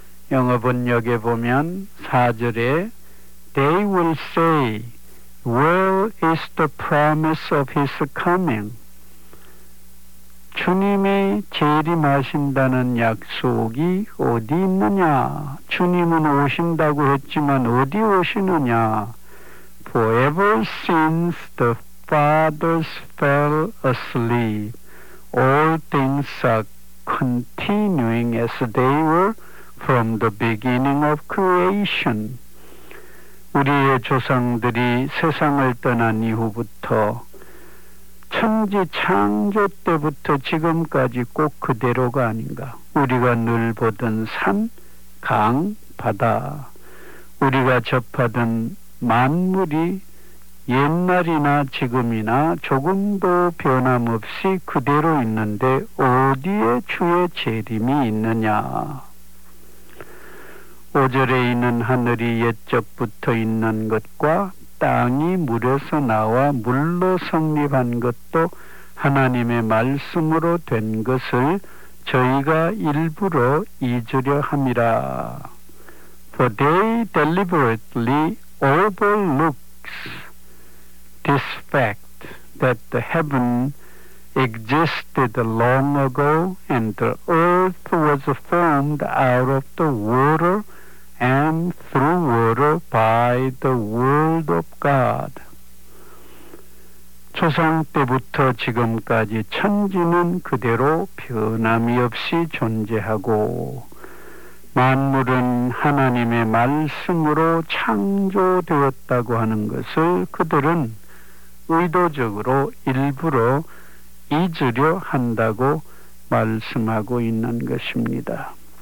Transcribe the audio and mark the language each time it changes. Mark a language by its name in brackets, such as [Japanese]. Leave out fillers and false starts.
[Korean] 영어 번역에 보면 4절에 [English] They will say, Where is the promise of his coming? [Korean] 주님이 재림하신다는 약속이 어디 있느냐? 주님은 오신다고 했지만 어디 오시느냐? [English] For ever since the fathers fell asleep, all things are continuing as they were from the beginning of creation. [Korean] 우리의 조상들이 세상을 떠난 이후부터 천지 창조 때부터 지금까지 꼭 그대로가 아닌가. 우리가 늘 보던 산, 강, 바다, 우리가 접하던 만물이 옛날이나 지금이나 조금도 변함없이 그대로 있는데 어디에 주의 재림이 있느냐. 5절에 있는 하늘이 옛적부터 있는 것과 땅이 물에서 나와 물로 성립한 것도 하나님의 말씀으로 된 것을 저희가 일부러 잊으려 함이라. [English] For they deliberately overlooks this fact that the heaven existed long ago and the earth was formed out of the water and through water by the word of God. [Korean] 조상 때부터 지금까지 천지는 그대로 변함이 없이 존재하고 만물은 하나님의 말씀으로 창조되었다고 하는 것을 그들은 의도적으로 일부러 잊으려 한다고 말씀하고 있는 것입니다.